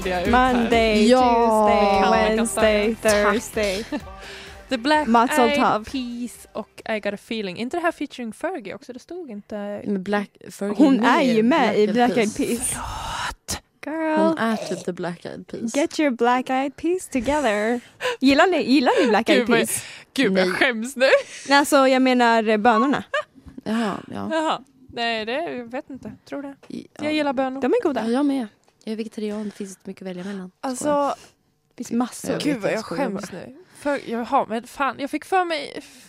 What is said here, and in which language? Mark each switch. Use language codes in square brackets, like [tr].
[en] Monday, Tuesday, Wednesday, Thursday. [sv] The Black Eyed Peas och I Got a Feeling. Inte det här featuring Fergie också? Det stod inte. Men Black Fergie. Hon är ju med i Black Eyed Peas. Förlåt. [en] Girl. [sv] Hon är typ The Black Eyed Peas. [en] Get your Black Eyed Peas together. [sv] Gillar ni Black Eyed Peas? Gud, jag skäms nu. Nej, alltså jag menar bönorna. Jaha. Nej, det vet inte. Tror det. Jag gillar bönor. De är goda. Jag med. Jag är vegetarian, det finns inte mycket att välja mellan. Alltså, det finns massor. Gud vad jag skäms nu. Jag fick för mig...